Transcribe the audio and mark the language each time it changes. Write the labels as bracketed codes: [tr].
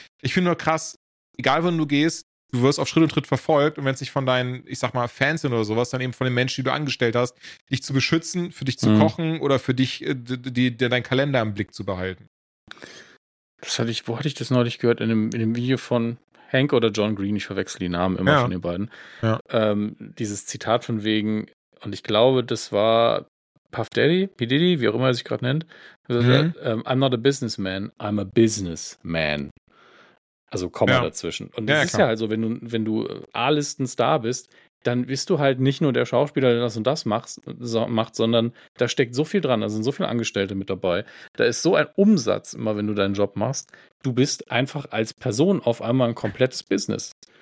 [de] Ich finde nur krass, egal wo du gehst, du wirst auf Schritt und Tritt verfolgt und wenn es nicht von deinen, ich sag mal, Fans sind oder sowas, dann eben von den Menschen, die du angestellt hast, dich zu beschützen, für dich zu kochen oder für dich, deinen Kalender im Blick zu behalten. Wo hatte ich das neulich gehört? In dem Video von Hank oder John Green, ich verwechsel die Namen immer von den beiden. Ja. Dieses Zitat von wegen, und ich glaube, das war Puff Daddy, P. Diddy, wie auch immer er sich gerade nennt. [en] I'm not a businessman, I'm a businessman. [de] Also Komma dazwischen. Und das ist ja halt so, wenn du A-Listen-Star bist, dann bist du halt nicht nur der Schauspieler, der das und das macht, sondern da steckt so viel dran, da sind so viele Angestellte mit dabei. Da ist so ein Umsatz immer, wenn du deinen Job machst. Du bist einfach als Person auf einmal ein komplettes Business.